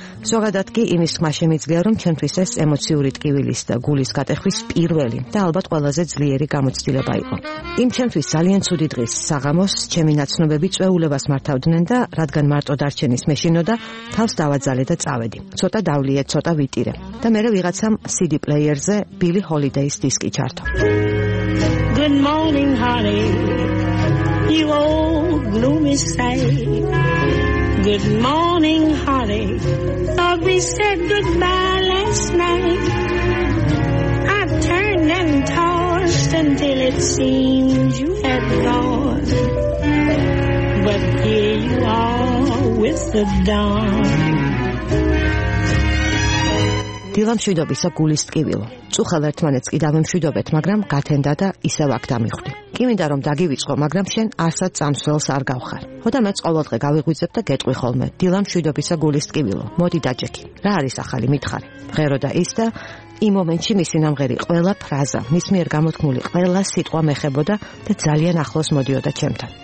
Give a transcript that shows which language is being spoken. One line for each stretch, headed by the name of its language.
Georgian: ზოგადად კი იმის თქმა შემიძლია, რომ ჩემთვის ეს ემოციური ტკივილის და გულის გატეხვის პირველი და ალბათ ყველაზე ძლიერი გამოცდილება იყო. იმ ჩემთვის ძალიან ცუდი დღის საღამოს ჩემი ნაცნობები წვეულებას მართავდნენ და რადგან მარტო დარჩენის მეშინოდა, თავს დავაძალე და წავედი. ცოტა დავლიე, ცოტა ვიტირე. და მერე ვიღაცამ CD პლეიერზე ბილი ჰოლიდეის დისკი ჩართო.
English: Good morning, honey, you old gloomy sight. Good morning, honey, thought we said goodbye last night. I turned and tossed until it seemed you had gone. But here you are with the dawn.
Georgian: დილამ შვიდობისა გულის ტკივილო. წუხალ ერთმანეთს კი დავემშვიდობეთ, მაგრამ გათენდა და ისევ აქ დამიხვდი. კი მინდა რომ დაგივიწყო, მაგრამ შენ ასაც სამსველს არ გავხარ. ხოდა მეც ყოველ დღე გავიღვიძებ და გეტყვი ხოლმე. დილა მშვიდობისა გულის ტკივილო. მოდი დაჭექი. რა არის ახალი მითხარი? მღერო და ის და იმ მომენტში მისი ნამღერი ყველა ფრაზა, მის მიერ გამოთქმული ყველა სიტყვა მეხებოდა და ძალიან ახლოს მოდიოდა ჩემთან.